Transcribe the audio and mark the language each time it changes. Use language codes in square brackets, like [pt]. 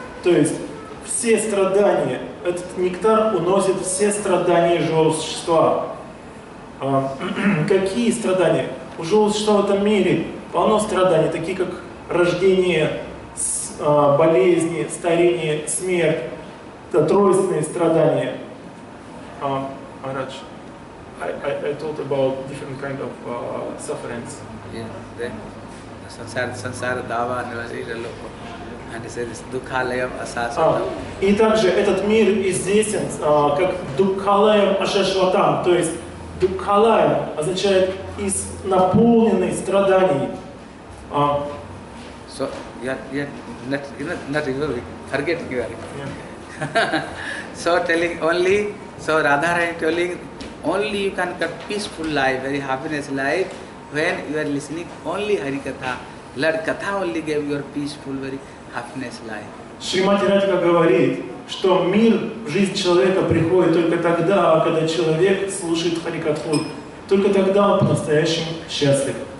[ru] То есть все страдания, этот нектар уносит все страдания живого существа. Какие страдания? У живого существа в этом мире полно страданий, такие как рождение, болезни, старение, смерть, это тройственные страдания. [en] Maharaj, I told about different kind of sufferings. Yeah, then [sa] sansara dava nalarita loko. [en] And he says, [sa] dukhalayam asasvatam. [ru] И также этот мир известен как [sa] dukhalayam asasvatam, [ru] то есть Дукхалая означает из наполненной страданий. [en] So, not really forgetting. Yeah. So telling only, so Radharani telling only you can get peaceful life, very happiness life when you are listening only Hari Katha. Lord Katha only gave your peaceful, very happiness life. [ru] Шримати Радхика говорит, что мир в жизнь человека приходит только тогда, когда человек слушает Харикатху. Только тогда он по-настоящему счастлив.